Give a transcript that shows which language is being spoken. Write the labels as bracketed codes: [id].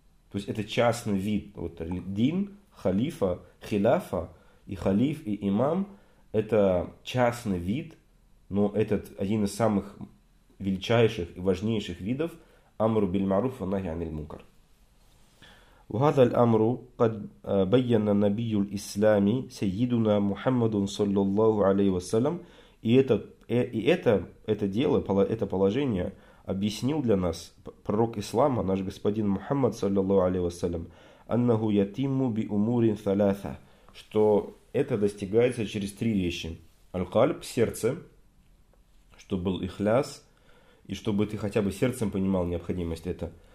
[ru] То есть это частный вид. Вот дин, халифа, хиляфа, и халиф, и имам – это частный вид, но этот один из самых величайших и важнейших видов [ar] амру биль маруф ва нахи анил мункар. وهذا الأمر قد بين النبي الإسلامي سيدنا محمد صلى الله عليه وسلم. [ru] Это положение объяснил для нас пророк ислама, наш господин Мухаммад, саллиллаху алейхи вассалям, [ar] аннаху ятимму би умурин саляса, [ru] что это достигается через три вещи. Аль-кальб, сердце, чтобы был ихляс, и чтобы ты хотя бы сердцем понимал необходимость это.